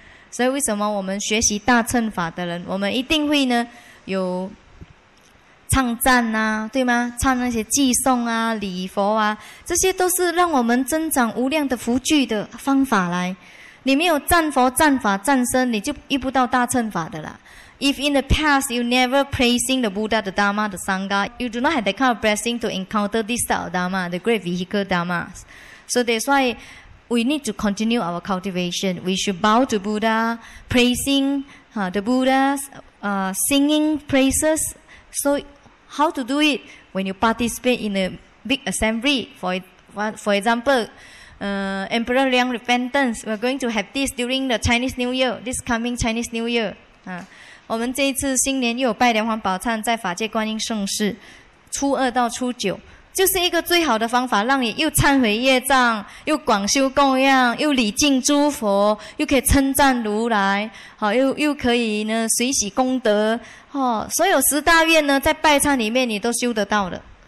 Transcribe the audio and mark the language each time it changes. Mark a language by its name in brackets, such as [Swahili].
[Chinese] 所以为什么我们学习大乘法的人，我们一定会呢有唱赞啊，对吗？唱那些偈颂啊、礼佛啊，这些都是让我们增长无量的福聚的方法来。你没有赞佛、赞法、赞身，你就遇不到大乘法的啦。 [English] If in the past you never praising the Buddha, the Dharma, the Sangha, you do not have that kind of blessing to encounter this style of Dharma, the great vehicle Dharma. So that's why we need to continue our cultivation. We should bow to Buddha, praising the Buddha, singing praises. So how to do it? When you participate in a big assembly, for example,Emperor Liang Repentance, we're going to have this during the Chinese New Year, this coming Chinese New Year. [Chinese] 我们这一次新年又有拜梁皇宝忏在法界观音圣寺，初二到初九，就是一个最好的方法，让你又忏悔业障，又广修供养，又礼敬诸佛，又可以称赞如来，又可以呢随喜功德，所有十大愿呢在拜忏里面你都修得到的。